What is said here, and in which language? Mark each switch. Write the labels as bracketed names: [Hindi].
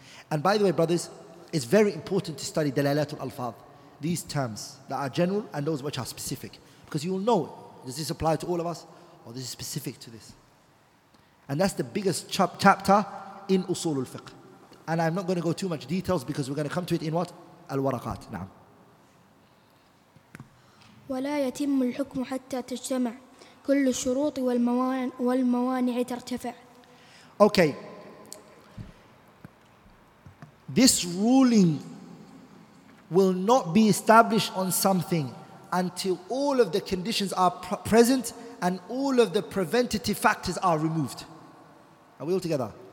[English] And by the way, brothers, it's very important to study dalalatul alfad, these terms that are general and those which are specific. Because you will know, does this apply to all of us? Or this is specific to this? And that's the biggest chapter in usulul fiqh. And I'm not going to go too much details because we're going to come to it in what? Al-waraqat. Na'am. [Arabic] ولا يتم الحكم حتى تجتمع كل الشروط والموانع ترتفع. [English] Okay. This ruling will not be established on something until all of the conditions are present and all of the preventative factors are removed. Are we all together?